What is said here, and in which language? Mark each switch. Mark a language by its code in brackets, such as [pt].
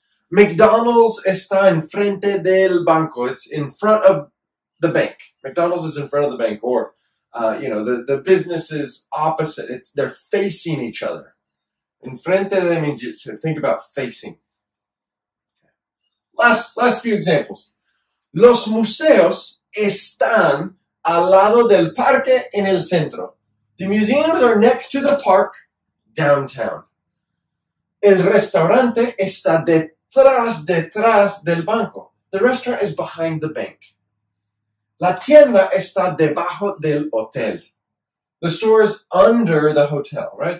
[es] McDonald's está enfrente del banco. [en] It's in front of the bank. McDonald's is in front of the bank. Or, you know, the business is opposite. They're facing each other. Enfrente de means you to think about facing. Last few examples. [es] Los museos están al lado del parque en el centro. [en] The museums are next to the park downtown. [es] El restaurante está detrás del banco. [en] The restaurant is behind the bank. [es] La tienda está debajo del hotel. [en] The store is under the hotel, right?